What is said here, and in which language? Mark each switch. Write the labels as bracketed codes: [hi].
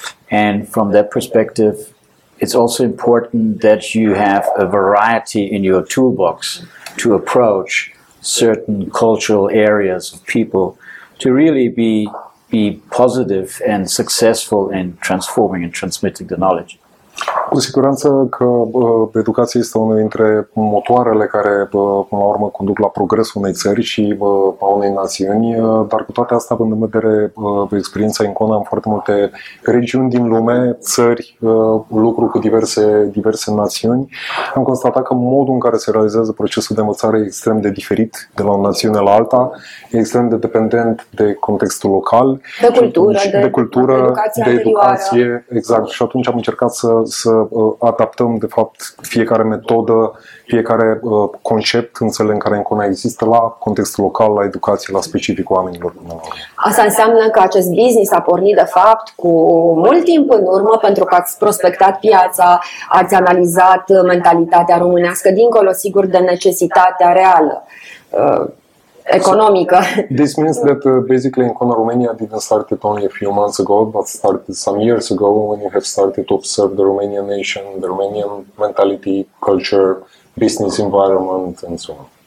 [en] And from that perspective, it's also important that you have a variety in your toolbox to approach certain cultural areas of people to really be positive and successful in transforming and transmitting the knowledge. [ro] Cu siguranță că educația este una dintre motoarele care, până la urmă, conduc la progresul unei țări și a unei națiuni, dar cu toate astea, având în vedere experiența Encona în foarte multe regiuni din lume, țări, lucru cu diverse națiuni, am constatat că modul în care se realizează procesul de învățare e extrem de diferit de la o națiune la alta, e extrem de dependent de contextul local, de cultură, de educație, exact. Și atunci am încercat să adaptăm, de fapt, fiecare metodă, fiecare concept în țările în care Encona există, la contextul local, la educație, la specificul oamenilor. Asta înseamnă că acest business a pornit, de fapt, cu mult timp în urmă, pentru că ați prospectat piața, ați analizat mentalitatea românească, dincolo, sigur, de necesitatea reală. economică. [en] So, this means that basically Incona Romania didn't start it only a few months ago, but started some years ago when you have started to observe the Romanian nation, the Romanian mentality, culture, business environment, and so on.